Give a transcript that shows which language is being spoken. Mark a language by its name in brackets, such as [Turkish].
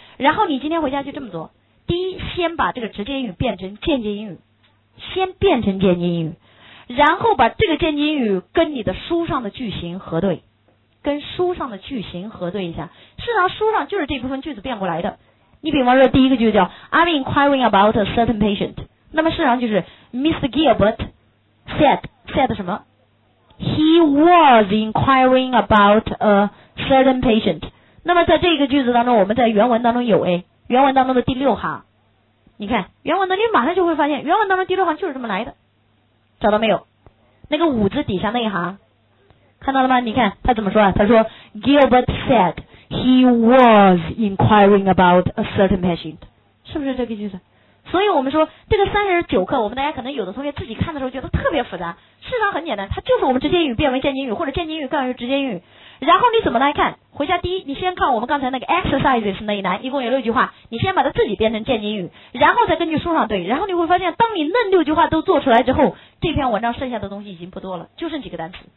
[Chinese] 然后你今天回家就这么做：第一，先把这个直接引语变成间接引语，先变成间接引语，然后把这个间接引语跟你的书上的句型核对。跟书上的句型核对一下，事实上书上就是这部分句子变过来的。你比方说第一个句子叫 [English] I'm inquiring about a certain patient， [Chinese] 那么事实上就是 Mr. [English] Gilbert said [Chinese] 什么， [English] He was inquiring about a certain patient。 [Chinese] 那么在这个句子当中，我们在原文当中有 A， 原文当中的第六行，你看原文当中，你马上就会发现原文当中第六行就是这么来的，找到没有？那个五字底下那一行看到了吗？你看他怎么说啊？他说 [English] Gilbert said he was inquiring about a certain patient， [Chinese] 是不是这个句子？所以我们说这个39课，我们大家可能有的同学自己看的时候觉得特别复杂，事实上很简单，它就是我们直接引语变为间接引语，或者间接引语变为直接引语。然后你怎么来看？回家第一，你先看我们刚才那个 exercises 那一栏，一共有六句话，你先把它自己变成间接引语，然后再根据书上对，然后你会发现当你那六句话都做出来之后，这篇文章剩下的东西已经不多了，就剩几个单词。